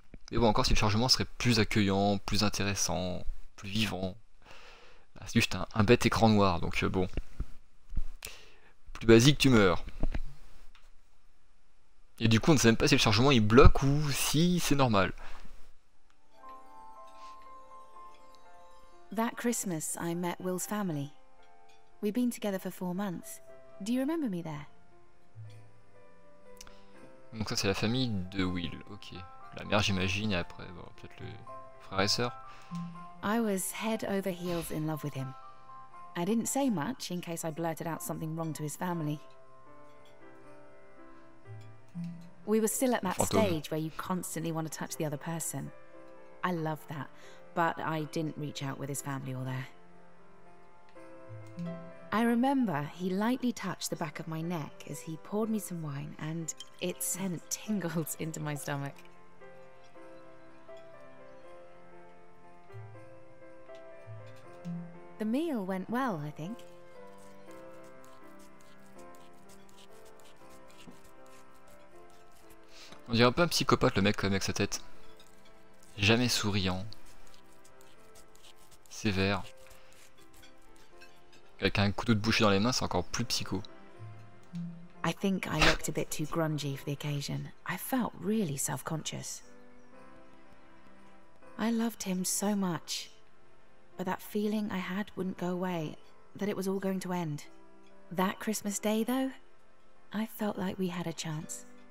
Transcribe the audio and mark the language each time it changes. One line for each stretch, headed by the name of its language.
French: Mais bon, encore si le chargement serait plus accueillant, plus intéressant, plus vivant. Là, c'est juste un bête écran noir, donc bon. Plus basique, tu meurs. Et du coup, on ne sait même pas si le chargement il bloque ou si c'est normal.
English: That Christmas, I met Will's family. We've been together for 4 months. Do you remember me there?
French: Donc ça c'est la famille de Will, ok. La mère j'imagine, et après bon, peut-être le frère et sœur.
English: I was head over heels in love with him. I didn't say much in case I blurted out something wrong to his family. We were still at that
French: fantôme
English: stage where you constantly want to touch the other person. I love that. But I didn't reach out with his family or there. I remember he lightly touched the back of my neck as he poured me some wine, and it sent tingles into my stomach. The meal went well, I think.
French: On dirait un peu un psychopathe, le mec avec sa tête. Jamais souriant. Sévère. Avec un couteau de boucher dans les mains, c'est encore plus psycho.
English: I think I looked a bit too grungy for the occasion. I felt really self-conscious. I loved him so much, but that feeling I had wouldn't go away, that it was all going to end. That Christmas day though, I felt like we had a chance.